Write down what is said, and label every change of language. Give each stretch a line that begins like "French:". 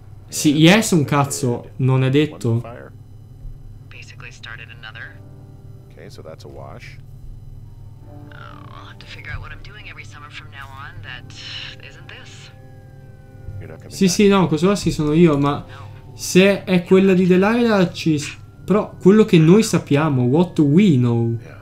Italian: Sì,
English: yes,
Italian: un cazzo, non è detto.
English: Basically started another. Okay, so that's a wash. Oh, I'll have to figure out what I'm doing every summer from now on that isn't this.
Italian: Sì, sì, no, questo qua sì sono io, ma se è quella di Delilah ci. Però quello che noi sappiamo,
English: what we know.